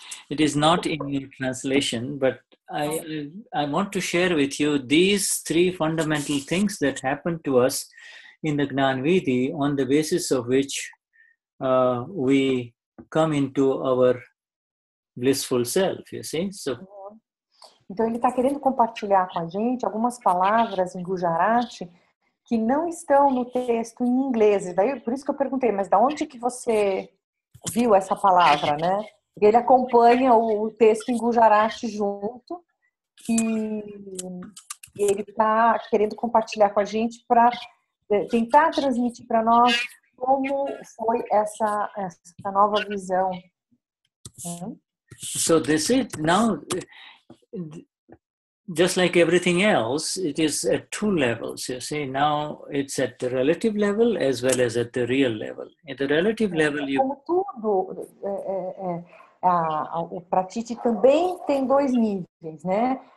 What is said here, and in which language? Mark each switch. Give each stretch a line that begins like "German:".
English: It is not in your translation, but I want to share with you these three fundamental things that happened to us in the Gnanvidhi, on the basis of which we come into our blissful self. You see, so.
Portuguese: Então, ele está querendo compartilhar com a gente algumas palavras em Gujarati que não estão no texto em inglês. Daí, por isso que eu perguntei, mas de onde que você viu essa palavra, né? Ele acompanha o texto em Gujarati junto e ele está querendo compartilhar com a gente para tentar transmitir para nós como foi essa nova visão.
English: So, this is now... Just like everything else, it is at two levels, you see. Now it's at the relative level as well as at the real level. At the relative level, you...
Portuguese: Como tudo, o pratiti também tem dois níveis, né?